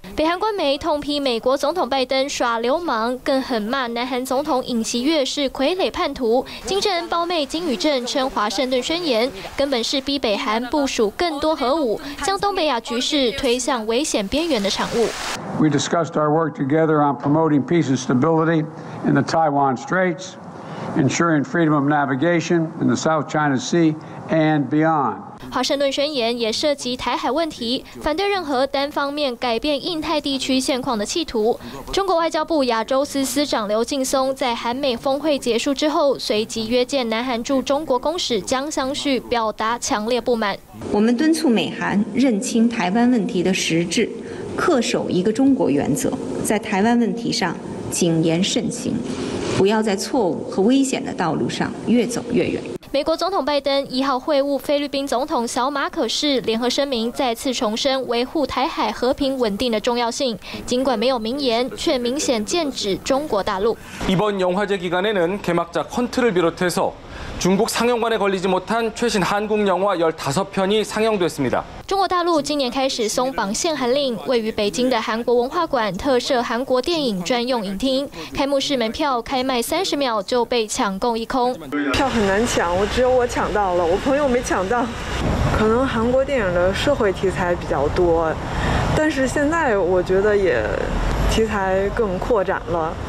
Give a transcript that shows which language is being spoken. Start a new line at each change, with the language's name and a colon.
Chinese: 北韩官媒痛批美国总统拜登耍流氓，更狠骂南韩总统尹锡悦是傀儡叛徒。金正恩胞妹金宇镇称，华盛顿宣言根本是逼北韩部署更多核武，将东北亚局势推向危险边缘的产物。
English: We discussed our work together on promoting peace and stability in the Taiwan Straits. Ensuring freedom of navigation in the South China Sea and beyond.
Chinese: 华盛顿宣言也涉及台海问题，反对任何单方面改变印太地区现况的企图。中国外交部亚洲司司长刘劲松在韩美峰会结束之后，随即约见南韩驻中国公使姜相旭，表达强烈不满。我们敦促美韩认清台湾问题的实质，恪守一个中国原则，在台湾问题上谨言慎行。不要在错误和危险的道路上越走越远。美国总统拜登1号会晤菲律宾总统小马可士，联合声明再次重申维护台海和平稳定的重要性，尽管没有明言，却明显剑指中国大陆。
Korean: 이번영화제기간에는개막자헌트를비롯해서 중국상영관에걸리지못한최신한국영화15편이상영됐습니다
Chinese: 中国大陆今年开始松绑限韩令，位于北京的韩国文化馆特设韩国电影专用影厅，开幕式门票开卖30秒就被抢购一空。票很难抢，我只有我抢到了，我朋友没抢到。可能韩国电影的社会题材比较多，但是现在我觉得也题材更扩展了。